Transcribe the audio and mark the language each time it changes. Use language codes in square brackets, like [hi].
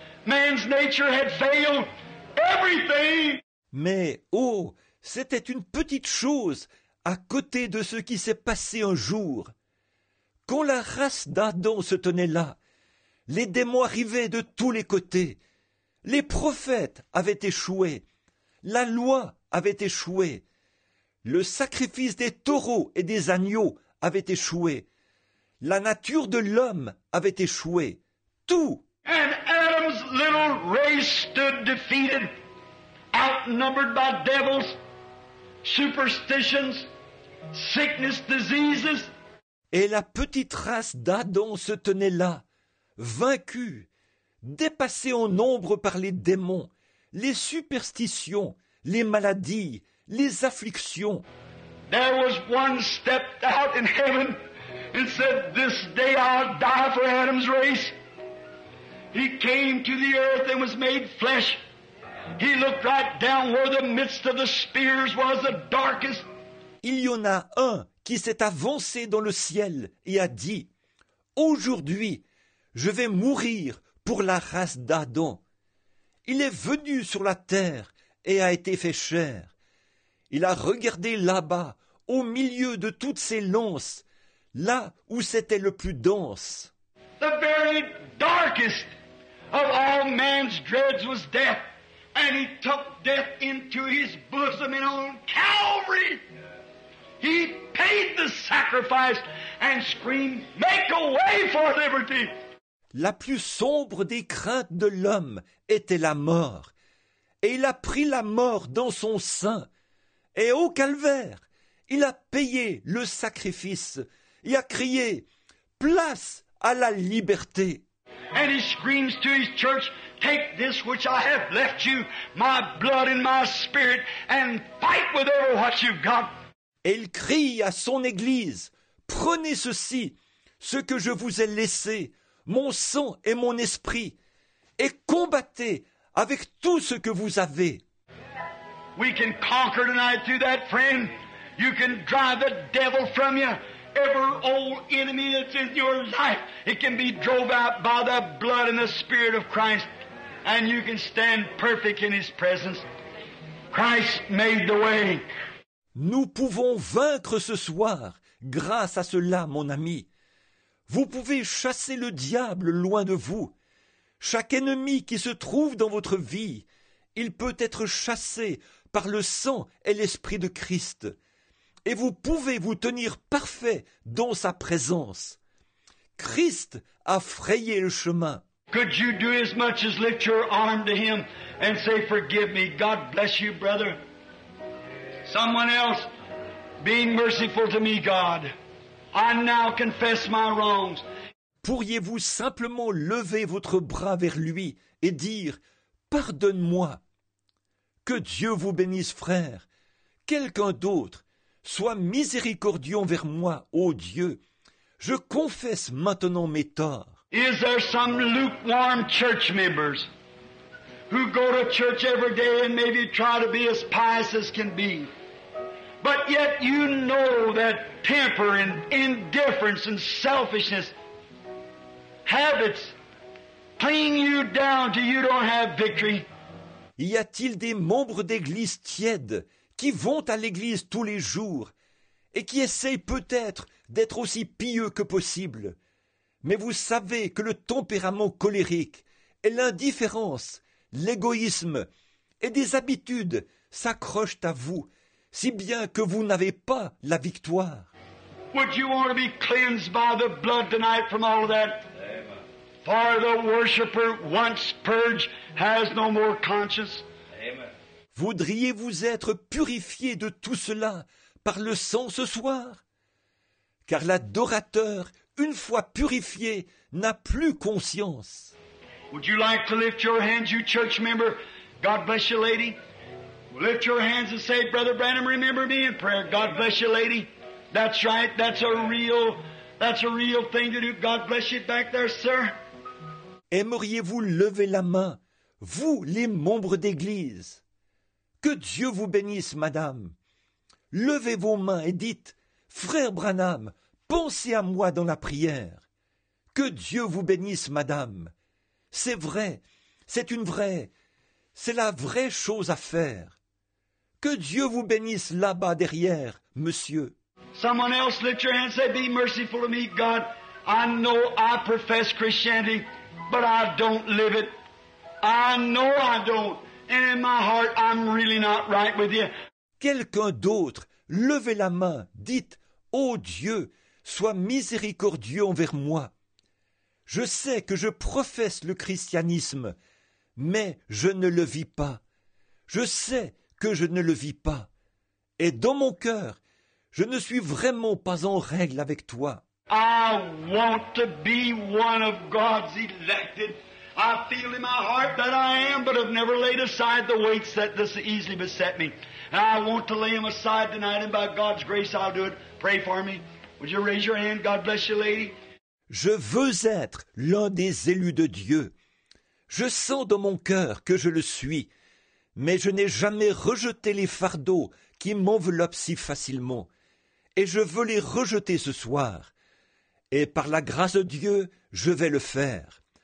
[en] Man's nature had failed everything. [fr] Mais, oh, c'était une petite chose à côté de ce qui s'est passé un jour. Quand la race d'Adam se tenait là, les démons arrivaient de tous les côtés. Les prophètes avaient échoué. La loi avait échoué. Le sacrifice des taureaux et des agneaux avait échoué. La nature de l'homme avait échoué. Tout. [en] And Adam's little race stood defeated, outnumbered by devils, superstitions, sickness, diseases. [fr] Et la petite race d'Adam se tenait là, vaincue, dépassée en nombre par les démons, les superstitions, les maladies, les afflictions. [en] There was one stepped out in heaven and said, "This day I'll die for Adam's race." He came to the earth and was made flesh. He looked right down where the midst of the spears was the darkest. [fr] Il y en a un qui s'est avancé dans le ciel et a dit, « Aujourd'hui, je vais mourir pour la race d'Adam. » Il est venu sur la terre et a été fait chair. Il a regardé là-bas, au milieu de toutes ces lances, là où c'était le plus dense. [en] The very darkest of all man's dreads was death, and he took death into his bosom and on Calvary. He paid the sacrifice and screamed, "Make a way for liberty!" [fr] La plus sombre des craintes de l'homme était la mort, et il a pris la mort dans son sein, et au calvaire, il a payé le sacrifice et a crié, "Place à la liberté." [en] And he screams to his church, "Take this which I have left you, my blood and my spirit, and fight with all what you've got." [fr] Et il crie à son église, "Prenez ceci, ce que je vous ai laissé, mon sang et mon esprit, et combattez avec tout ce que vous avez." [en] We can conquer tonight through that, friend. You can drive the devil from you. Every old enemy that's in your life, it can be drove out by the blood and the Spirit of Christ, and you can stand perfect in His presence. Christ made the way. [fr] Nous pouvons vaincre ce soir grâce à cela, mon ami. Vous pouvez chasser le diable loin de vous. Chaque ennemi qui se trouve dans votre vie, il peut être chassé par le sang et l'Esprit de Christ. Et vous pouvez vous tenir parfait dans sa présence. Christ a frayé le chemin. [en] Could you do as much as lift your arm to him and say, forgive me, God bless you, brother. Someone else being merciful to me, God. I now confess my wrongs. [fr] Pourriez-vous simplement lever votre bras vers lui et dire, pardonne-moi. Que Dieu vous bénisse, frère. Quelqu'un d'autre, sois miséricordieux envers moi, ô Dieu. Je confesse maintenant mes torts. [en] Is there some lukewarm church members who go to church every day and maybe try to be as pious as can be? But yet you know that temper and indifference and selfishness, habits, bring you down till you don't have victory. [fr] Y a-t-il des membres d'église tièdes qui vont à l'église tous les jours et qui essayent peut-être d'être aussi pieux que possible? Mais vous savez que le tempérament colérique et l'indifférence, l'égoïsme et des habitudes s'accrochent à vous, si bien que vous n'avez pas la victoire. [en] Would you want to be cleansed by the blood tonight from all of that? For the worshipper once purged has no more conscience. [fr] Voudriez-vous être purifié de tout cela par le sang ce soir? Car l'adorateur, une fois purifié, n'a plus conscience. [en] Would you like to lift your hands, you church member? God bless you, lady. Lift your hands and say, Brother Branham, remember me in prayer. God bless you, lady. That's right. That's a real thing to do. God bless you back there, sir. [fr] Aimeriez-vous lever la main, vous, les membres d'église? Que Dieu vous bénisse, madame. Levez vos mains et dites, Frère Branham, pensez à moi dans la prière. Que Dieu vous bénisse, madame. C'est vrai. C'est la vraie chose à faire. Que Dieu vous bénisse là-bas derrière, monsieur. [en] Someone else lift your hand and say, be merciful to me, God. I know I profess Christianity, but I don't live it. I know I don't. And in my heart, I'm really not right with you. [fr] Quelqu'un d'autre, levez la main, dites, ô Dieu, sois miséricordieux envers moi. Je sais que je professe le christianisme, mais je ne le vis pas. Je sais que je ne le vis pas. Et dans mon cœur, je ne suis vraiment pas en règle avec toi. [en] I want to be one of God's elected. I feel in my heart that I am, but I've never laid aside the weights that this easily beset me. And I want to lay them aside tonight, and by God's grace I'll do it. Pray for me. Would you raise your hand? God bless you, lady. [fr] Je veux être l'un des élus de Dieu. Je sens dans mon cœur que je le suis. Mais je n'ai jamais rejeté les fardeaux qui m'enveloppent si facilement. Et je veux les rejeter ce soir. Et par la grâce de Dieu, je vais le faire.